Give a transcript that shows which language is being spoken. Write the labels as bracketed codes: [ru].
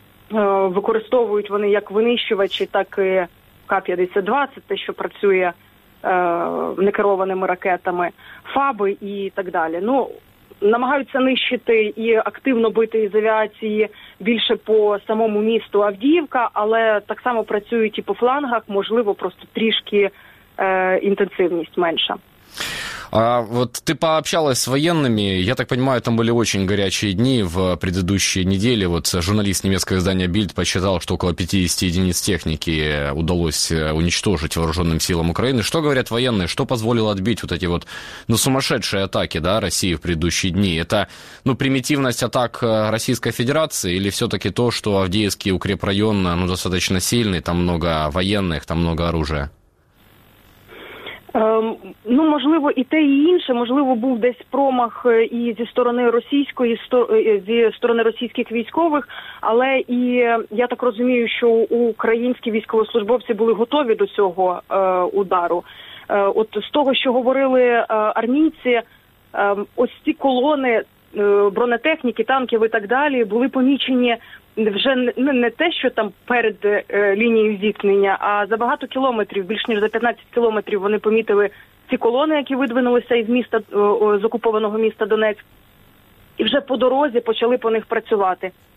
[uk] Використовують вони як винищувачі, так і К-52, це те, що працює некерованими ракетами, ФАБи і так далі. Ну, намагаються нищити і активно бити із авіації більше по самому місту Авдіївка, але так само працюють і по флангах, можливо, просто трішки інтенсивність менша. [ru] А вот ты пообщалась с военными, я так понимаю, там были очень горячие дни в предыдущие недели. Вот журналист немецкого издания Bild подсчитал, что около 50 единиц техники удалось уничтожить вооруженным силам Украины. Что говорят военные, что позволило отбить вот эти вот, ну, сумасшедшие атаки, да, России в предыдущие дни? Это, ну, примитивность атак Российской Федерации или все-таки то, что Авдеевский укрепрайон, ну, достаточно сильный, там много военных, там много оружия? [uk] Ну, можливо, і те, і інше. Можливо, був десь промах і зі сторони російської, зі сторони російських військових. Але і я так розумію, що українські військовослужбовці були готові до цього удару. От з того, що говорили армійці, ось ці колони бронетехніки, танків і так далі були помічені вже не те, що там перед лінією зіткнення, а за багато кілометрів, більш ніж за 15 кілометрів вони помітили ці колони, які видвинулися із міста, з окупованого міста Донецьк, і вже по дорозі почали по них працювати.